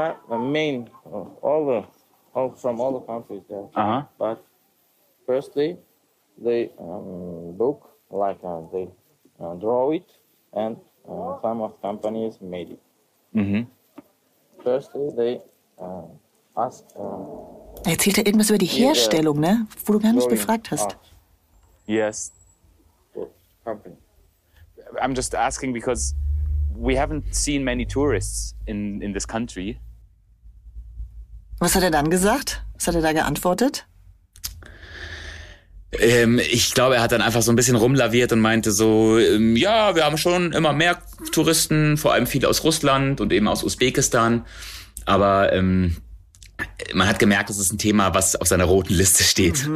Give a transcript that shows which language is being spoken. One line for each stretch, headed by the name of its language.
English: Main, all from all the countries there. Uh-huh. But firstly, they book, like they draw it, and some of companies made it. Mm-hmm. Firstly, they ask...
German: Erzählt er irgendwas über die Herstellung, ne? Wo du gar nicht befragt hast.
English: Yes. Company. I'm just asking because we haven't seen many tourists in this country.
German: Was hat er dann gesagt? Was hat er da geantwortet? Ich glaube, er hat dann einfach so ein bisschen rumlaviert und meinte so, ja, wir haben schon immer mehr Touristen, vor allem viele aus Russland und eben aus Usbekistan. Aber man hat gemerkt, das ist ein Thema, was auf seiner roten Liste steht. Mhm.